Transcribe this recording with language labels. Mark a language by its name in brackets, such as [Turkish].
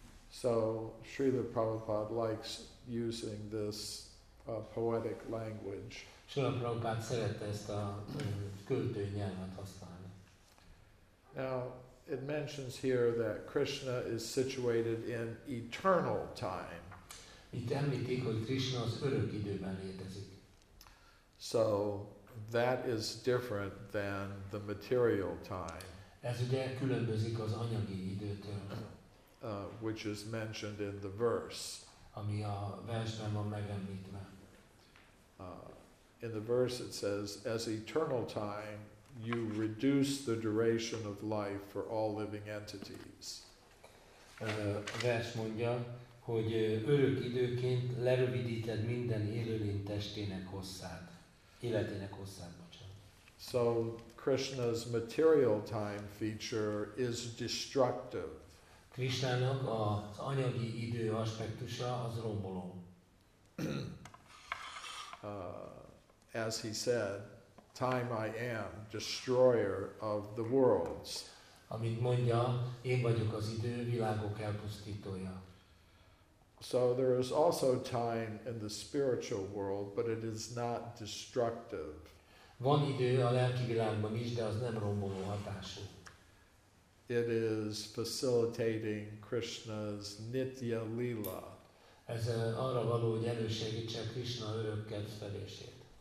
[English] So Srila Prabhupada likes using this poetic language. [Hungarian] Srila Prabhupada szerette ezt a költői nyelvet használni. [English] Now it mentions here that Krishna is situated in eternal time. [Hungarian] Itt említik, hogy Krishna az örök időben létezik. [English] So that is different than the material time. [Hungarian] Ez ugye különbözik az anyagi időtől, [English] which is mentioned in the verse. [Hungarian] Ami a versben van megemlítve. [English] In the verse it says, as eternal time, you reduce the duration of life for all living entities. [Hungarian] Vers mondja, hogy örök időként lerövidíted minden élőlény testének hosszát, életének hosszát. [English] So Krishna's material time feature is destructive. [Hungarian] Krishnának az anyagi idő aspektusa az romboló. [English] As he said, time I am, destroyer of the worlds. [Hungarian] Amit mondja, én vagyok az idő, világok elpusztítója. [English] So there is also time in the spiritual world, but it is not destructive. [Hungarian] Van idő a lelki világban is, de az nem romboló hatású. [English] It is facilitating Krishna's nitya lila. [Hungarian] Ez arra való, hogy elősegítse Krishna örök kedvelését.